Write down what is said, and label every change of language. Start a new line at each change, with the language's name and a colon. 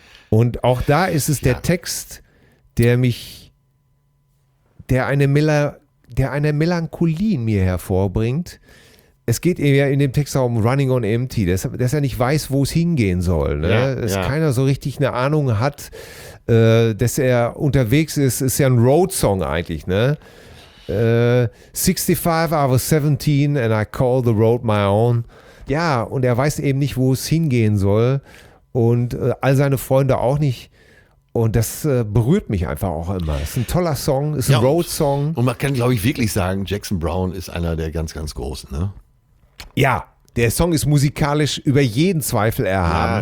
German: Und auch da ist es der Text, der eine Melancholie in mir hervorbringt. Es geht ja in dem Text auch um Running on Empty, dass er nicht weiß, wo es hingehen soll. Ne? Ja, dass ja. keiner so richtig eine Ahnung hat, dass er unterwegs ist. Ist ja ein Road-Song eigentlich. Ne?
English: 65, I was 17 and I call the road my own.
German: Ja, und er weiß eben nicht, wo es hingehen soll. Und all seine Freunde auch nicht. Und das berührt mich einfach auch immer. Es ist ein toller Song, es ist ein Road-Song. Und man kann, glaube ich, wirklich sagen, Jackson Browne ist einer der ganz, ganz Großen. Ne? Ja, der Song ist musikalisch über jeden Zweifel erhaben.